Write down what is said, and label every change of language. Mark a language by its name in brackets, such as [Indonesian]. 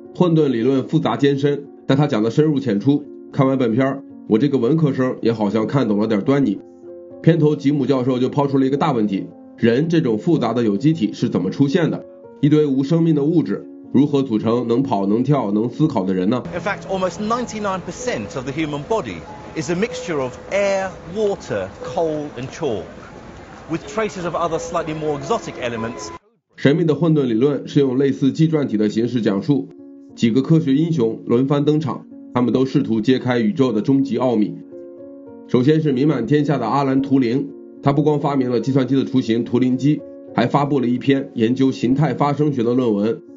[Chinese] 混沌理论复杂艰深，但他讲的深入浅出，看完本片我这个文科生也好像看懂了点端倪。片头吉姆教授就抛出了一个大问题，人这种复杂的有机体是怎么出现的，一堆无生命的物质如何组成能跑能跳能思考的人呢？ [English] In fact, almost 99% of the human body is a mixture of air, water, coal and chalk, with traces of other slightly more exotic elements. [Chinese] 神秘的混沌理论是用类似纪传体的形式讲述，几个科学英雄轮番登场，他们都试图揭开宇宙的终极奥秘。首先是名满天下的阿兰·图灵，他不光发明了计算机的雏形图灵机，还发布了一篇研究形态发生学的论文。